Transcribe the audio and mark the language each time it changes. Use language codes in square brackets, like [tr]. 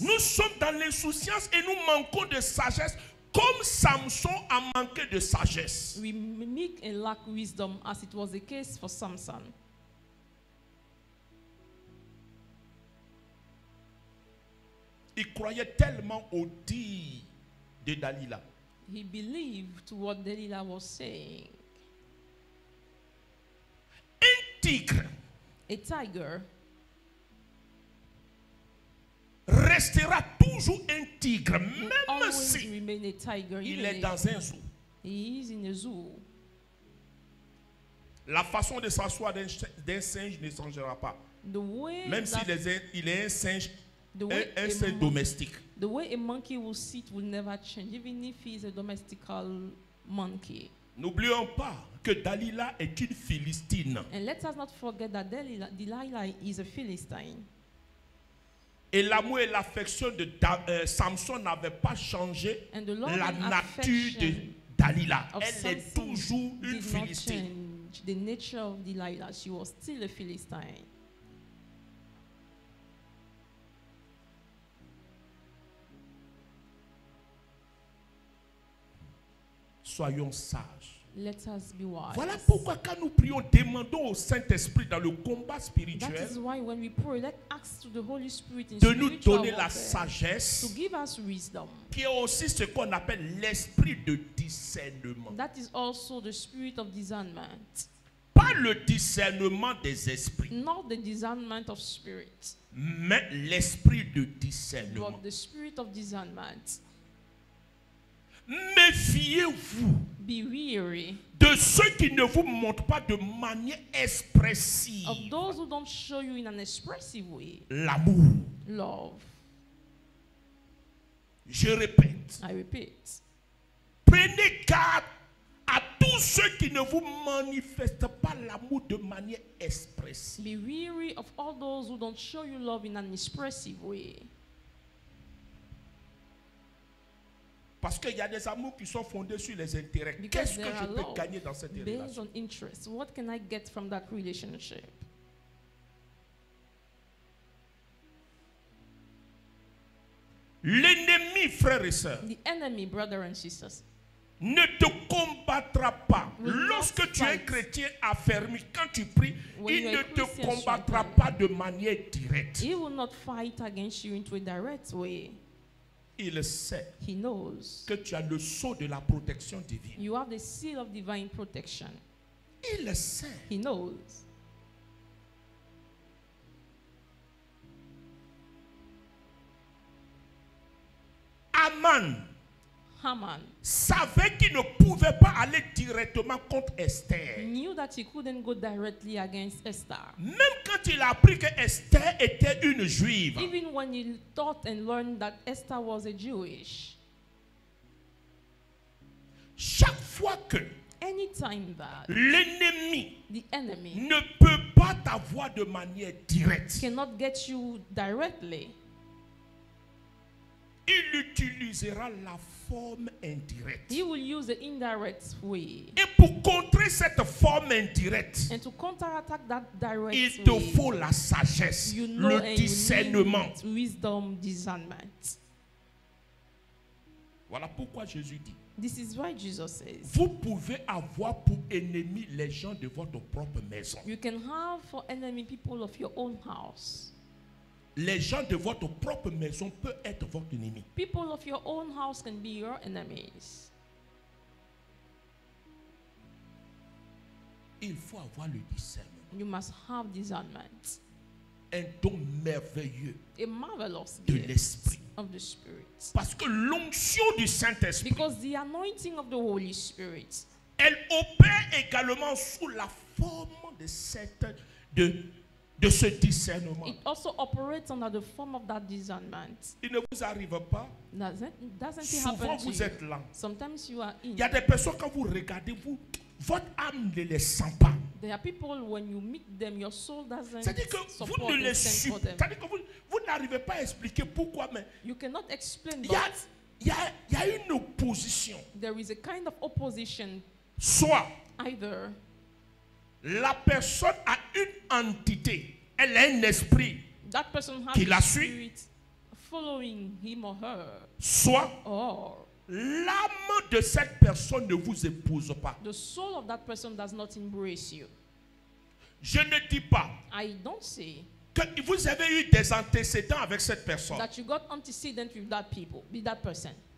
[fr] nous sommes dans l'insouciance et nous manquons de sagesse. Comme Samson a manqué de sagesse. [en] We mimic and lack wisdom as it was the case for Samson. [fr] Il croyait tellement au dire de Dalila. [en] He believed to what Dalila was saying. [fr] Un tigre. [en] A tiger. [fr] Restera toujours un tigre, même si [en] remain a tiger, [fr] il est dans un zoo. [en] He is in a zoo. [fr] La façon de s'asseoir d'un singe ne changera pas. [en] The way [fr] même s'il est un singe, un singe domestique. [en] The way a monkey will sit will never change, even if he is a domestical monkey. [fr] N'oublions pas que Dalila est une philistine. [en] And let us not forget that Delilah is a philistine. [fr] Et l'amour et l'affection de Samson n'avaient pas changé la nature de Dalila. Elle est toujours une philistine. [en] The nature of Delilah, she was still a philistine. [fr] Soyons sages. [en] Let us be wise. [fr] Voilà pourquoi quand nous prions, demandons au Saint-Esprit dans le combat spirituel [en] that is why when we pray, let ask to the Holy Spirit in [fr] de nous donner la sagesse [en] to give us wisdom, [fr] qui est aussi ce qu'on appelle l'esprit de discernement. [en] That is also the spirit of discernment. [fr] Pas le discernement des esprits. [en] Not the discernment of spirits. [fr] Mais l'esprit de discernement. [en] But the spirit of discernment. [fr] Méfiez-vous [en] be weary [fr] de ceux qui ne vous montrent pas de manière expressive [en] of those who don't show you in an expressive way [fr] l'amour [en] love. [fr] Je répète. [en] I repeat. [fr] Prenez garde à tous ceux qui ne vous manifestent pas l'amour de manière expressive. [en] Be wary of all those who don't show you love in an expressive way. [fr] Parce qu'il y a des amours qui sont fondés sur les intérêts. [en] Because [fr] qu'est-ce que je peux gagner dans cette relation? [en] Based on interest, what can I get from that relationship? [fr] L'ennemi, frères et sœurs, [en] the enemy, brother and sisters, [fr] ne te combattra pas. Lorsque tu es chrétien affermi, quand tu pries, il ne te combattra pas de manière directe. [en] He will not fight against you in a direct way. [fr] Il sait, [en] he knows, [fr] que tu as le sceau de la protection divine. [en] You have the seal of divine protection. [fr] Il sait, [en] he knows. [fr] Haman savait qu'il ne pouvait pas aller directement contre Esther. [en] Knew that he couldn't go directly against Esther. [fr] Même quand il a appris que Esther était une juive. [en] Even when he thought and learned that Esther was a Jewish. [fr] Chaque fois que [en] anytime that [fr] l'ennemi [en] the enemy [fr] ne peut pas t'avoir de manière directe. [en] Cannot get you directly. [fr] Il utilisera la forme indirecte. [en] He will use the indirect way. [fr] Et pour contrer cette forme indirecte, [en] and to counterattack that direct [fr] il te [en] way, [fr] faut la sagesse, [en] you know, [fr] le discernement. [en] Wisdom, discernment. [fr] Voilà pourquoi Jésus dit. [en] This is why Jesus says, [fr] vous pouvez avoir pour ennemis les gens de votre propre maison. [en] You can have for enemy people of your own house. [fr] Les gens de votre propre maison peuvent être votre ennemi. [en] People of your own house can be your enemies. [fr] Il faut avoir le discernement. [en] You must have discernment. [fr] Un don merveilleux. [en] A marvelous [fr] de l'esprit. [en] Of the spirit. [fr] Parce que l'onction du Saint-Esprit. [en] Because the anointing of the Holy Spirit. [fr] Elle opère également sous la forme de cette de ce discernement. [en] It also operates under the form of that discernment. [fr] Il ne vous arrive pas. [en] Doesn't it happen? [fr] Souvent vous [en] to [fr] êtes [en] you? [fr] Lent. [en] Sometimes you are in. [fr] Il y a des personnes quand vous regardez vous, votre âme ne les sent pas. [en] There are people when you meet them, your soul doesn't. [fr] C'est-à-dire que vous ne les suivez. C'est-à-dire que vous n'arrivez pas à expliquer pourquoi, mais. [en] You cannot explain. [fr] Il y a une opposition. [en] There is a kind of opposition. [fr] Soit. [en] Either. [fr] La personne a une entité, elle a un esprit [en] that person has [fr] qui la suit. [en] Following him or her. [fr] Soit [en] or, [fr] l'âme de cette personne ne vous épouse pas. [en] The soul of that person does not embrace you. [fr] Je ne dis pas [en] I don't say [fr] que vous avez eu des antécédents avec cette personne. [en] That you got antecedent with that people, with that person.